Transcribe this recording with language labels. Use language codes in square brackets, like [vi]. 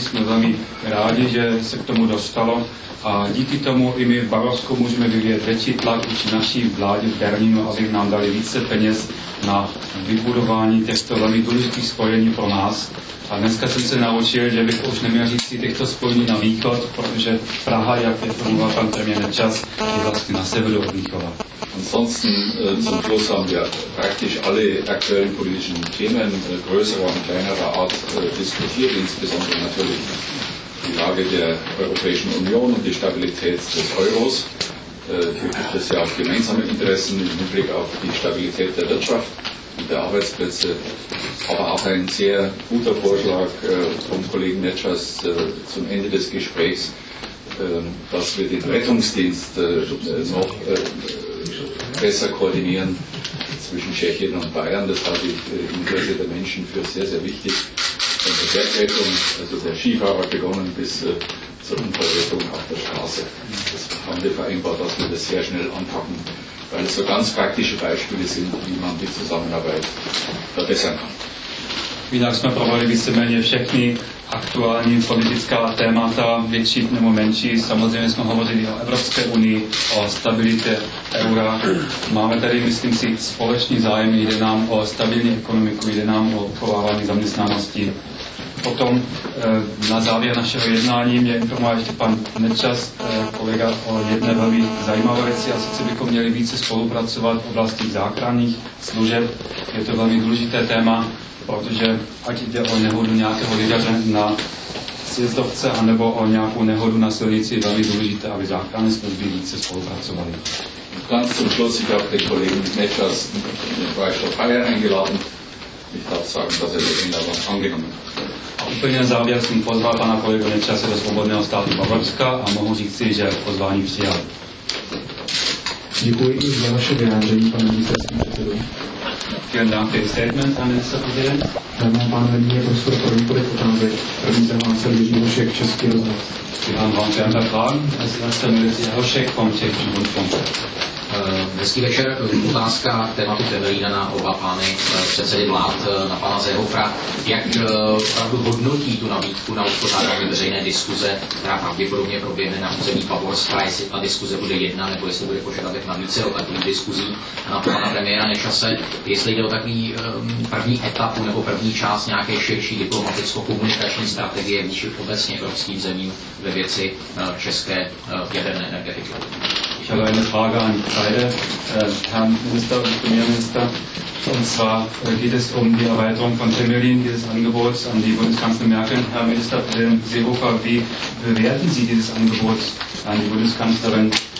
[cs] Jsme velmi rádi, že se k tomu dostalo a díky tomu i my v Bavorsku můžeme vyvíjet větší tlak už naší vládě v Berlínu, aby nám dali více peněz na vybudování těchto velmi důležitých spojení pro nás. A dneska jsem se naučil, že bych už neměl říct si těchto spojení na východ, protože Praha, jak je tomu pan premiér Nečas, je vlastně na severu od Mníchova. [de] Ansonsten zum Schluss haben wir praktisch alle aktuellen politischen Themen größerer und kleinerer Art diskutiert, insbesondere natürlich die Lage der Europäischen Union und die Stabilität des Euros. Hier gibt es ja auch gemeinsame Interessen im Hinblick auf die Stabilität der Wirtschaft und der Arbeitsplätze. Aber auch ein sehr guter Vorschlag vom Kollegen Netschers zum Ende des Gesprächs, dass wir den Rettungsdienst noch besser koordinieren zwischen Tschechien und Bayern. Das halte ich im Interesse der Menschen für sehr, sehr wichtig. Von der Bergrettung, also der Skifahrer begonnen bis zur Unterrichtung auf der Straße. Das haben wir vereinbart, dass wir das sehr schnell anpacken, weil es so ganz praktische Beispiele sind, wie man die Zusammenarbeit verbessern kann. [cs] Vydal jsme provali víceméně všechny aktuální politická témata, větší nebo menší. Samozřejmě jsme hovořili o Evropské unii, o stabilitě eura. Máme tady, myslím si, společný zájem, jde nám o stabilní ekonomiku, jde nám o uchovávání zaměstnanosti. Potom na závěr našeho jednání mě informoval ještě pan Nečas, kolega, o jedné velmi zajímavé věci, a sice bychom měli více spolupracovat v oblasti záchranných služeb. Je to velmi důležité téma, protože ať jde o nehodu nějakého lidaře na sjezdovce, anebo o nějakou nehodu na silnici, je velmi důležité, aby záchranné služby více spolupracovali. [de] Ganz zum Schluss, ich habe den Kollegen Nechas in den Freistaat Bayern eingeladen. Ich darf sagen, dass er den Einladung angenommen hat. [cs] A úplně na závěr jsem pozval pana kolegu Nechase do Svobodného státu Bavorska a mohu říct si, že pozvání přijal. Děkuji za vaše vyjádření, pane ministerský předsedo. [de] Vielen Dank für Ihr Statement, Herr Ministerpräsident. [cs] Dámy a pánové, nyní je prostor pro několik otázek. První se hlásil Jiří Hošek, Český rozhlas. Vám vám chci dát vám, jestli vás jsem Jiří Hošek, vám Český rozhlas. Hezký večer, otázka tématu Temelína na oba pány předsedy vlád, na pana Seehofera. Jak opravdu hodnotí tu nabídku na uspořádání veřejné diskuze, která pravděpodobně proběhne na území Bavorska, jestli ta diskuze bude jedna, nebo jestli bude požadavek na více takových diskuzí, na pana premiéra Nečase, jestli jde o takový první etapu nebo první část nějaké širší diplomaticko-komunikační strategie vůči obecně evropským zemím ve věci české jaderné energetiky. [de] Ich habe eine Frage an beide Herrn Minister und Premierminister. Und zwar geht es um die Erweiterung von Temelin, dieses Angebots an die Bundeskanzlerin Merkel. Herr Ministerpräsident Seehofer, wie bewerten Sie dieses Angebot an die Bundeskanzlerin?